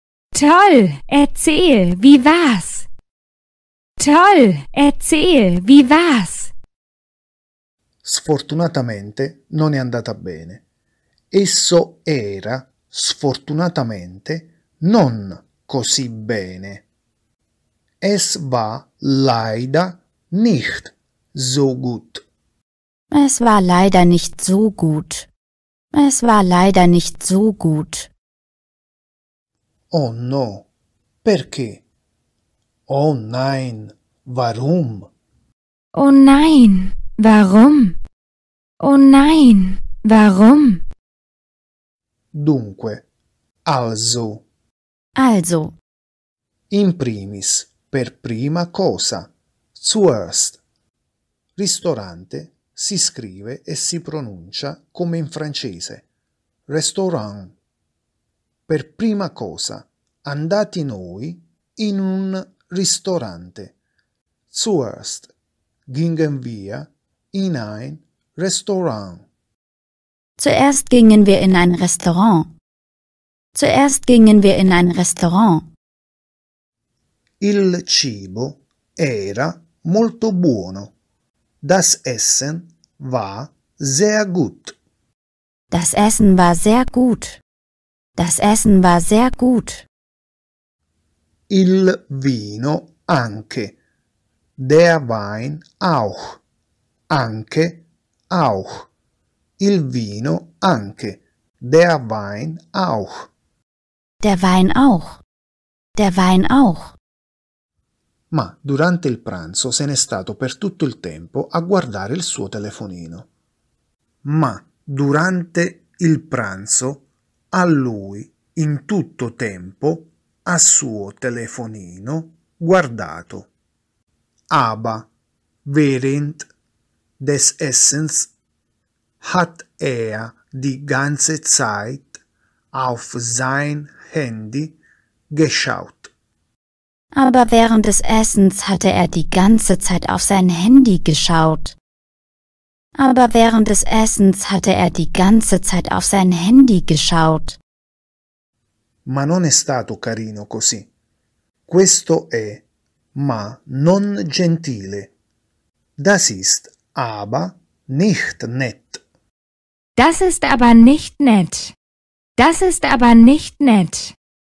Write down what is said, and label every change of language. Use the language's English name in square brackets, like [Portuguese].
[German] Toll, erzähl, wie war's? Toll, erzähl, wie war's? [Italian] Sfortunatamente non è andata bene. Esso era, sfortunatamente, non così bene. [German] Es war leider nicht so gut. Es war leider nicht so gut. Es war leider nicht so gut. [Italian] Oh no, perché? [German] Oh nein, warum? Oh nein, warum? Oh nein, warum? [Italian] Dunque, also. [German] Also. [Italian] In primis, per prima cosa. Zuerst. Ristorante si scrive e si pronuncia come in francese. Restaurant. Per prima cosa, andati noi in un ristorante. [German] Zuerst gingen wir in ein Restaurant. Zuerst gingen wir in ein Restaurant. Zuerst gingen wir in ein Restaurant. [Italian] Il cibo era molto buono. [German] Das Essen war sehr gut. Das Essen war sehr gut. Das Essen war sehr gut. [Italian] Il vino anche. [German] Der Wein auch. [Italian] Anche auch. Il vino anche. [German] Der Wein auch. Der Wein auch. Der Wein auch. [Italian] ma durante il pranzo se n'è stato per tutto il tempo a guardare il suo telefonino. Ma durante il pranzo a lui in tutto tempo a suo telefonino guardato. [German] Aba während des Essens hat die ganze Zeit auf sein Handy geschaut. Aber während des Essens hatte er die ganze Zeit auf sein Handy geschaut. Aber während des Essens hatte er die ganze Zeit auf sein Handy geschaut. [Italian] Ma non è stato carino così. Questo è ma non gentile. [German] Das ist aber nicht nett. Das ist aber nicht nett. Das ist aber nicht nett.